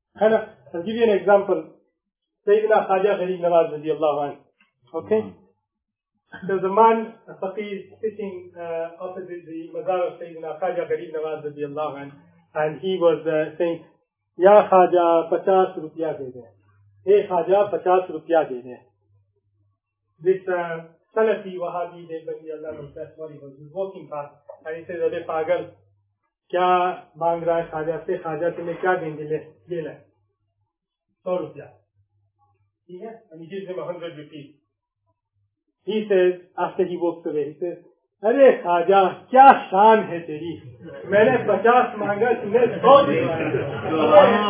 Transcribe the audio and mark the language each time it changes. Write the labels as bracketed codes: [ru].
[en] And I'll give you an example. Sayyidina Khaja Gharib Nawaz radiallahu anhu. Okay? There's a man, a faqir, sitting opposite the mazar of Sayyidina Khaja Gharib Nawaz radiallahu anhu. And he was saying, [ur] Ya Khaja, 50 rupiah de de. Hey خواجہ, 50 روپیہ دے دے. [en] This, Salafi Wahabi Deobandi Allah was best what he was walking past [ur] and he says, ارے پاگل, کیا مانگ رہا ہے خواجہ سے, خواجہ تمہیں کیا دینگے لے, لے لے, 100 روپیہ. [en] See here? And he gives him 100 rupees. He says, after he walks away, he says, [ur] ارے خواجہ, کیا شان ہے تیری, میں نے 50 مانگا, تمہیں 100 دیا.